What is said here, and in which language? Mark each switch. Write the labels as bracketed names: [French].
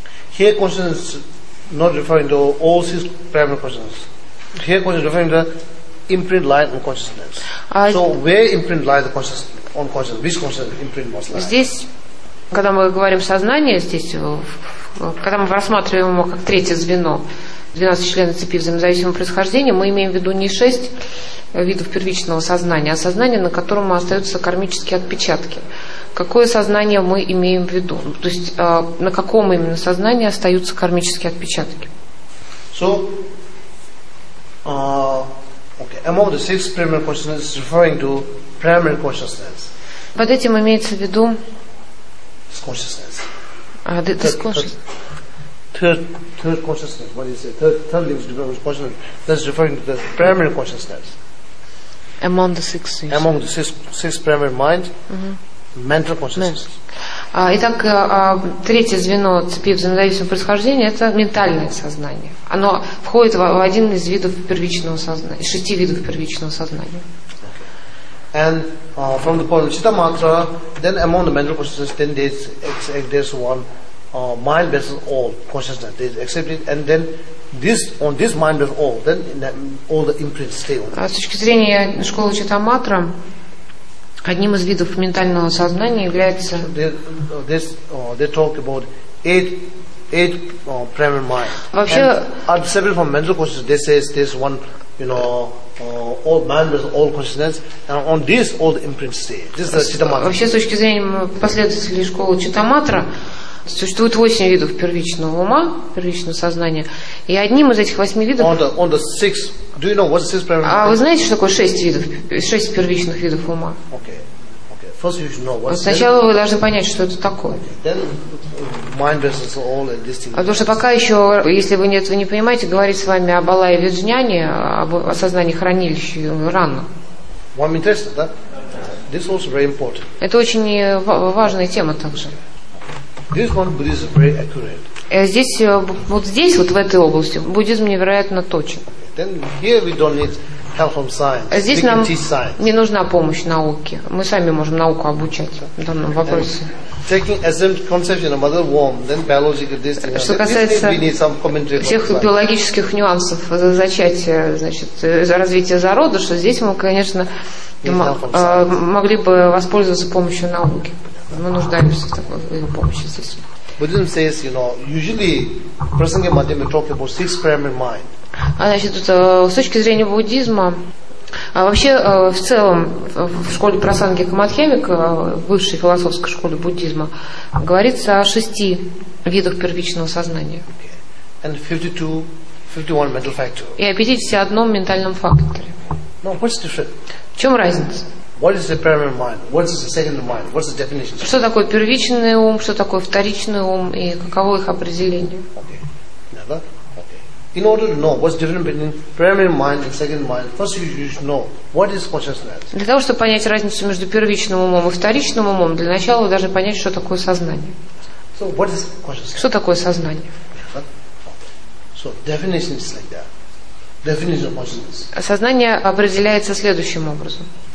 [English] Here consciousness not referring to all six primary consciousness. Here consciousness referring to imprint light on consciousness. So where imprint light on consciousness? Which consciousness imprint most light? [Russian] Здесь, когда мы говорим сознание, здесь, когда мы рассматриваем его как третье звено, 12 членов цепи взаимозависимого происхождения, мы имеем в виду не 6 видов первичного сознания, а сознание, на котором остаются кармические отпечатки. Какое сознание мы имеем в виду? То есть на каком именно сознании остаются кармические отпечатки? [English] So, okay. Among the six primary consciousness, referring to primary consciousness. [Russian] Под этим имеется в виду? [English] This consciousness. Third consciousness. What is it? Third level developed consciousness. That's referring to the primary consciousness. Among the six. Things. Among the six primary mind. Mm-hmm. Mental consciousness. [Russian] Итак, третье звено цепи взаимозависимого происхождения – это ментальное сознание. Оно входит в один из видов первичного сознания, шести видов первичного сознания. [English] And from the point of Chitta Matra, then among the mental consciousness, then there's one mind versus all consciousness that is accepted, and then this on this mind versus all, then all the imprints stay on. [Russian] С точки зрения школы Chitta Matra. Одним из видов ментального сознания является. [English] They talk about eight primary mind. [Russian] Вообще, [English] and separate from mental consciousness, they say this one, you know, all mind with all consciousness, and on this all the imprints stay. This is Chitta Matra. [Russian] Вообще, с точки зрения последователей школы Chitta Matra, существует 8 видов первичного ума, первичного сознания, и одним из этих 8 видов. [English] On the six. Do you know what's six primary? [Russian] А вы знаете, что такое 6 первичных видов ума? [English] Okay. First you should know what's. [Russian] Сначала вы должны понять, что это такое. [English] Then mind versus all and this thing. [Russian] А потому что пока еще, если вы этого не понимаете, говорить с вами об Алае Виджняне, об осознании хранилища рано. Вам интересно, да? [English] This also very important. [Russian] Это очень важная тема также. [English] This one is very accurate. [Russian] Здесь, вот здесь, вот в этой области, буддизм невероятно точен. [English] Then here we don't need help from science. [Russian] Здесь нам не нужна помощь науки. Мы сами можем науку обучать в данном вопросе. [English] Taking assumed conception of mother womb, then biological distinction. [Russian] Что касается всех биологических нюансов зачатия, значит, развития зародыша, здесь мы, конечно, могли бы воспользоваться помощью науки. Мы нуждаемся в такой помощи здесь. [English] Buddhism says, you know, usually Prasanga Madhyama talk about six primary mind. [Russian] Значит, с точки зрения буддизма, вообще в целом в школе Прасанги Камадхемика, высшей философской школе буддизма, говорится о 6 видах первичного сознания. [English] Okay. And 52 mental factor. [Russian] И о 51 ментальном факторе. [English] No, what's different? [Russian] В чем разница? [English] What is the primary mind? What is the second mind? What's the definition? [Russian] Что такое первичный ум, что такое вторичный ум и каково их определение? [English] Okay. Never? Okay. In order to know what's the difference between primary mind and second mind, first you should know what is consciousness. [Russian] Для того, чтобы понять разницу между первичным умом и вторичным умом, для начала вы должны понять, что такое сознание. [English] So what is consciousness? [Russian] Что такое сознание? [English] Okay. So definition is like that. Definition of consciousness. [Russian] Сознание определяется следующим образом.